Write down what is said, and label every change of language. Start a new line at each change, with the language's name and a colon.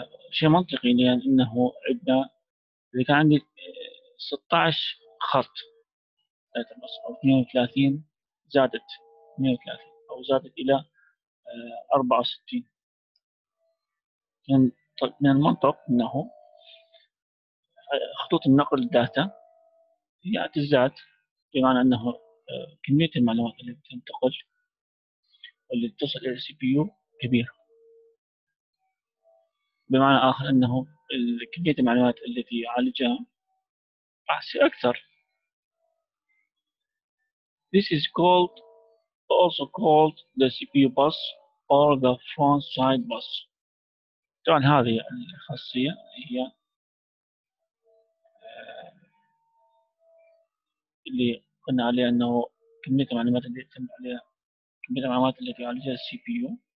Arabic: شيء منطقي، لأن إنه عندنا إذا كان عندي 16 خط داتا بس أو 32 زادت 32 أو زادت إلى 64، من المنطق إنه خطوط النقل الداتا هي تزداد، بمعنى إنه كمية المعلومات اللي تنتقل واللي تصل إلى السي بي يو كبيرة. بمعنى آخر أنه كمية المعلومات التي يعالجها راح تصير أكثر.
English: This is called also called the CPU bus or the front side bus.
Arabic: طبعا هذه الخاصية هي اللي قلنا عليها أنه كمية المعلومات اللي تم عليها كمية المعلومات التي يعالجها CPU